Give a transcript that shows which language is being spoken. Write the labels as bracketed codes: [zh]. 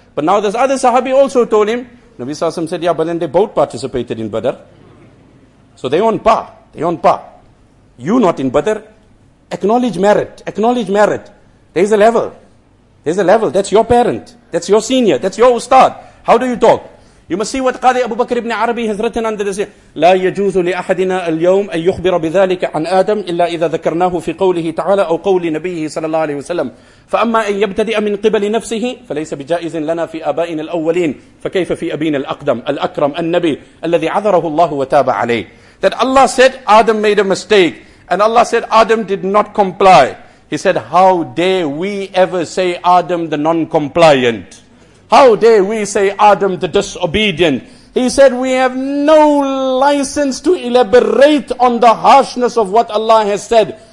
[en] But now this other sahabi also told him. Nabi Sallallahu Alaihi Wasallam said, yeah, but then they both participated in Badr. So they on par. They on par. You not in Badr. Acknowledge merit. Acknowledge merit. There's a level. There's a level. That's your parent. That's your senior. That's your ustad. How do you talk? You must see what Qadi Abu Bakr ibn Arabi has written under this. [ar] لا يجوز لأحدنا اليوم أن يخبر بذلك عن آدم إلا إذا ذكرناه في قوله تعالى أو قول نبيه صلى الله عليه وسلم. فأما أن يبتدئ من قبل نفسه فليس بجائز لنا في آبائنا الأولين فكيف في أبينا الأقدم الأكرم النبي الذي عذره الله وتاب عليه. [en] That Allah said Adam made a mistake. And Allah said Adam did not comply. He said, how dare we ever say Adam the non-compliant? How dare we say Adam the disobedient? He said, we have no license to elaborate on the harshness of what Allah has said.